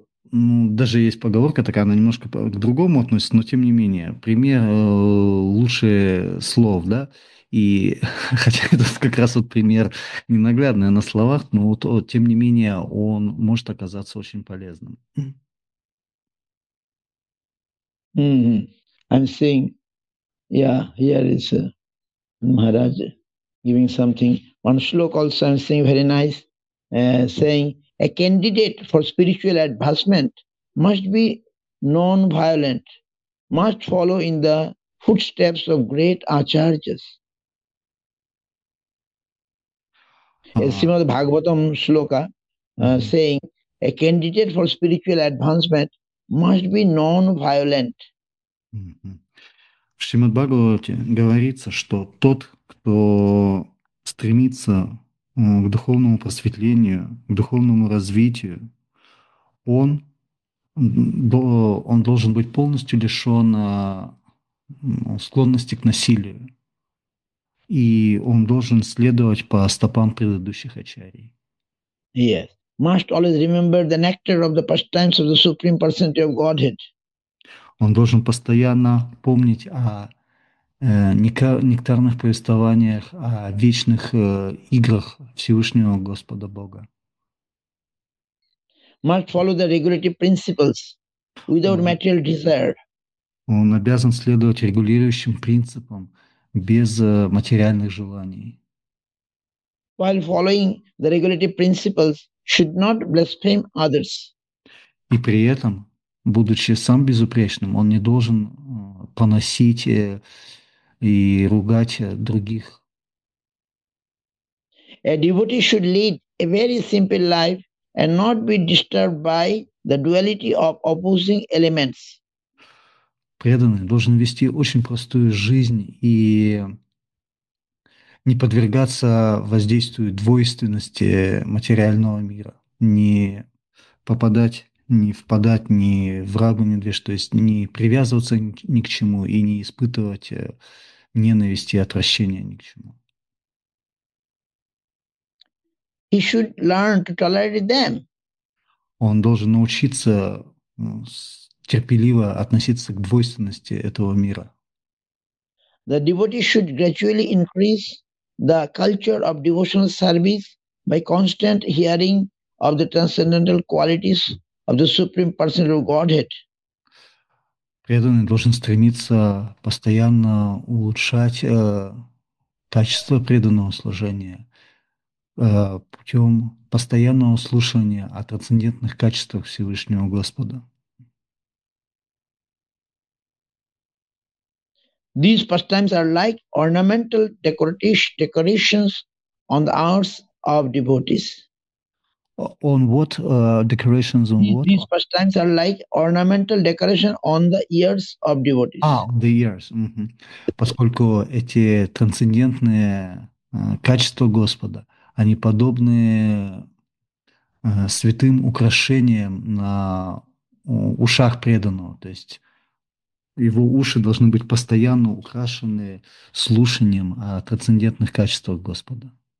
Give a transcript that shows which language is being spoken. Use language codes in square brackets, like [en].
[ru] Даже есть поговорка такая, она немножко к другому относится, но тем не менее. Пример лучше слов, да? И хотя это как раз вот пример ненаглядный на словах, но вот, тем не менее он может оказаться очень полезным. [en] I'm saying, yeah, here is Maharaj giving something. One shloka also I'm saying very nice, saying, A candidate for spiritual advancement must be non-violent, must follow in the footsteps of great acharyas. Srimad Bhagavatam Shloka saying, a candidate for spiritual advancement must be non-violent. [ru] В Шримад Бхагавате говорится, что тот, кто стремится к духовному просветлению, к духовному развитию, он должен быть полностью лишен склонности к насилию, и он должен следовать по стопам предыдущих ачарий. [en] Yes. Must always remember the nectar of the pastimes of the Supreme Personality of Godhead. [ru] Он должен постоянно помнить о нектарных повествованиях, о вечных играх Всевышнего Господа Бога. [en] Must follow the regulative principles without material desire. [ru] Он обязан следовать регулирующим принципам без материальных желаний. [en] While following the regulative principles, should not blaspheme others. [ru] И при этом, будучи сам безупречным, он не должен поносить и ругать других. [en] A devotee should lead a very simple life and not be disturbed by the duality of opposing elements. [ru] Преданный должен вести очень простую жизнь и не подвергаться воздействию двойственности материального мира, не впадать ни в рагу, ни две, то есть не привязываться ни к чему и не испытывать ненависти и отвращения ни к чему. [en] He should learn to tolerate them. [ru] Он должен научиться терпеливо относиться к двойственности этого мира. [en] The devotee should gradually increase the culture of devotional service by constant hearing of the transcendental qualities of the Supreme Personality of Godhead. [ru] Преданный должен стремиться постоянно улучшать качество преданного служения путем постоянного слушания о трансцендентных качествах Всевышнего Господа. [en] These pastimes are like ornamental decorations on the arms of devotees. On what decorations? On what? These pastimes are like ornamental decoration on the ears of devotees. The ears. [ru] Поскольку эти трансцендентные качества Господа, они подобны святым украшениям на ушах преданного, то есть его уши должны быть постоянно украшены слушанием о трансцендентных качествах Господа.